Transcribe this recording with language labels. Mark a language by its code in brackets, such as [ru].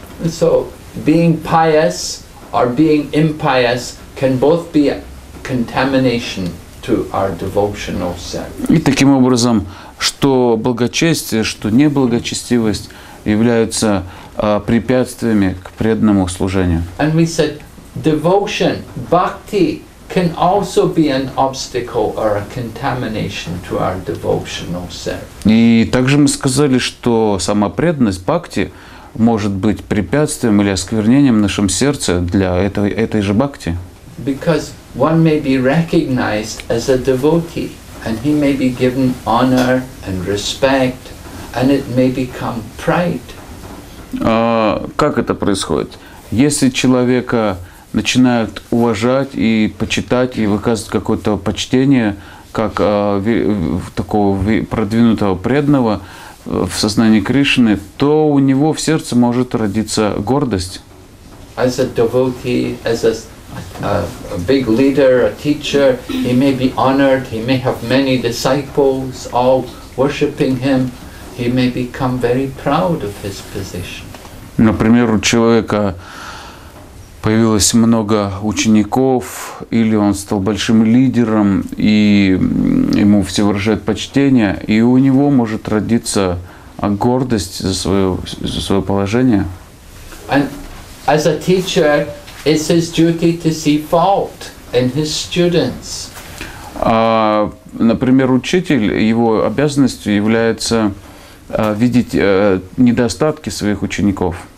[en] So, being pious or being impious can both be a contamination to our devotional service. [ru] И таким образом, что благочестие, что неблагочестивость являются препятствиями к преданному служению. [en] And we said, devotion, bhakti, can also be an obstacle or a contamination to our devotional service. [ru] И также мы сказали, что сама преданность, бхакти, может быть препятствием или осквернением в нашем сердце для этой же бхакти. [en] Because one may be recognized as a devotee, and he may be given honor and respect, and it may become pride. [ru] Как это происходит? Если человека начинают уважать и почитать и выказывать какое-то почтение как такого продвинутого преданного в сознании Кришны, то у него в сердце может родиться гордость. [en] As a devotee, as a big leader, a teacher, he may be honored, he may have many disciples all worshiping him, he may become very proud of his position. [ru] Например, у человека появилось много учеников, или он стал большим лидером, и ему все выражают почтение, и у него может родиться гордость за свое положение. [en] And as a teacher, it's his duty to see fault in his students. [ru] Например, учитель, его обязанностью является видеть недостатки своих учеников.